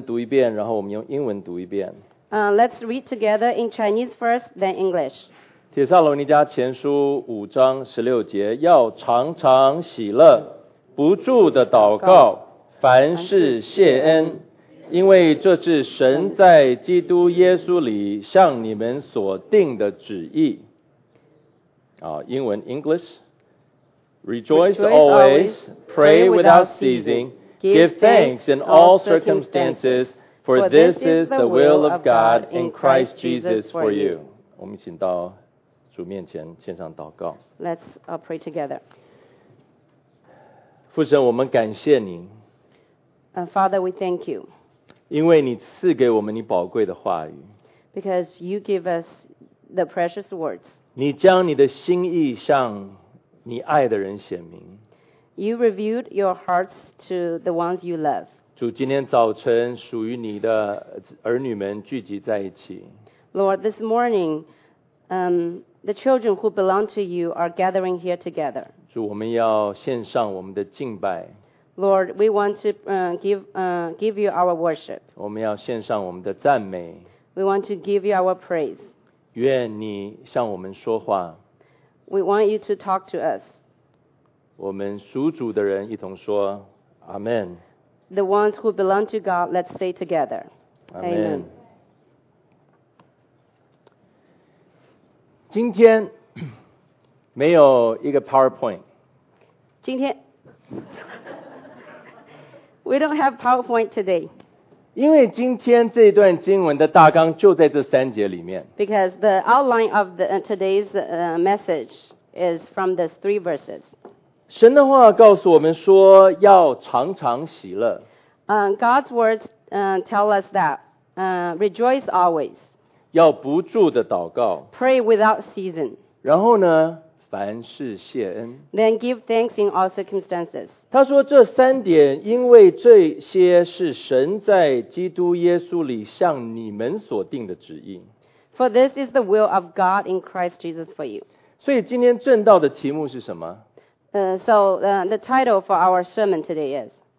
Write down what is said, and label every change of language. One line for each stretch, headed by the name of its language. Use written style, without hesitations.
Chinese: 我们翻到的时候，我们一起读。我们用中文读一遍，然后我们用英文读一遍。
English: Let's read together in Chinese first, then English.
Chinese: 帖撒罗尼迦前书5章16节，要常常喜乐，不住的祷告，凡事谢恩，因为这是神在基督耶稣里向你们所定的旨意。英文English.
English: Rejoice always, pray without ceasing. Give thanks in all circumstances, for this is the will of God in Christ Jesus for you.
Chinese: 我们请到主面前献上祷告。
English: Let's pray together.
Chinese: 父神，我们感谢您。Father,
English: we thank you.
Chinese: 因为你赐给我们你宝贵的话语。Because
English: you give us the precious words.
Chinese: 你将你的心意向你爱的人显明。
English: You revealed your hearts to the ones you love.
Chinese: 主，今天早晨属于你的儿女们聚集在一起。Lord,
English: this morning, the children who belong to you are gathering here together.
Chinese: 主，我们要献上我们的敬拜。Lord,
English: we want to give you our worship.
Chinese: 我们要献上我们的赞美。We
English: want to give you our praise.
Chinese: 愿你向我们说话。We
English: want you to talk to us.
Chinese: 我们属主的人一同说 Amen.
English: The ones who belong to God, let's say together. Amen.
Chinese: 今天没有一个 PowerPoint.
English: 今天 We don't have PowerPoint today.
Chinese: 因为今天这段经文的大纲就在这三节里面.
English: Because the outline of today's message is from these three verses.
Chinese: 神的话告诉我们说要常常喜乐。
English: God's words tell us that rejoice always.
Chinese: 要不住的祷告。
English: Pray without ceasing.
Chinese: 然后呢，凡事谢恩。
English: Then give thanks in all circumstances.
Chinese: 他说这三点，因为这些是神在基督耶稣里向你们所定的旨意。
English: For this is the will of God in Christ Jesus for you.
Chinese: 所以今天正道的题目是什么？
English: So the title for our sermon today is